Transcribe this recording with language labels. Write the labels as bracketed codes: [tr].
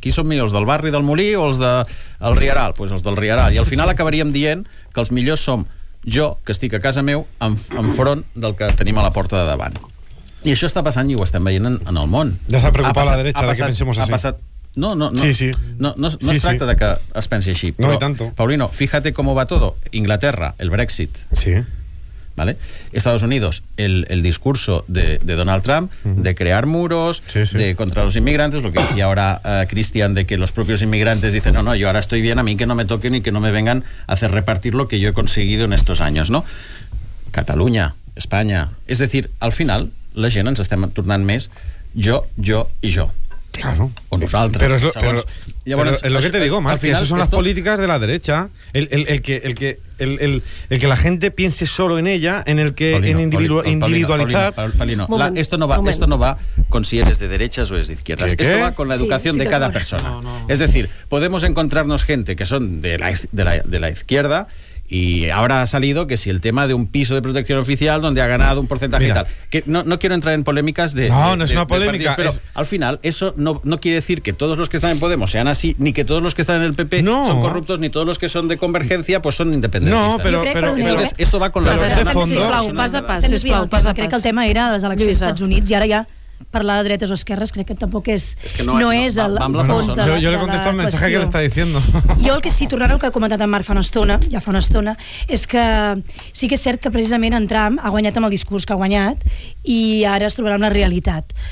[ca] Qui són millors, del barri del Molí o els del Rieral? Pues els del Rieral. I al final acabaríem dient que els millors som jo, que estic a casa meu, enfront del que tenim a la porta de davant. I això està passant i ho estem veient en el món. Ja s'ha preocupat passat, la dreta de que pensem així. Ha passat... No. Sí, sí. No sí, es tracta sí. De que es pensi així. Però, no, i tanto. [es] Paulino, fíjate cómo va todo. Inglaterra, el Brexit. Sí. ¿Vale? Estados Unidos, el discurso de Donald Trump, de crear muros, sí, sí. De contra los inmigrantes, lo que decía ahora Cristian, de que los propios inmigrantes dicen, no, yo ahora estoy bien, a mí que no me toquen y que no me vengan a hacer repartir lo que yo he conseguido en estos años, ¿no? Cataluña, España... Es decir, [ca] al final, la gent ens estem tornant més jo i jo. [es] Claro. [ca] O nosaltres. [es] Pero es lo que te digo, Marc, que esas son las políticas de la derecha. El que la gente piense solo en ella, en el que Paulino, en individualizar. Paulino, esto no va con si eres de derechas o es de izquierdas. ¿Qué? Esto va con la educación de cada persona. No. Es decir, podemos encontrarnos gente que son de la izquierda y ahora ha salido que si el tema de un piso de protección oficial donde ha ganado un porcentaje. Mira, y tal, que no quiero entrar en polémicas de no es una polémica, pero al final eso no quiere decir que todos los que están en Podemos sean así, ni que todos los que están en el PP son corruptos, ni todos los que son de Convergencia pues son independentistas. No, pero esto va con la [ca] derecha. Pas a pas. Crec que el tema era les eleccions als Estats Units i ara ja parlar de dretes o esquerres crec que tampoc és... És que no és el fons de la qüestió. Jo li contesto el missatge que l'està dient. Jo el que sí, tornant al que ha comentat en Marc fa una estona, és que sí que és cert que precisament en Trump ha guanyat amb el discurs que ha guanyat i ara es trobarà amb la realitat.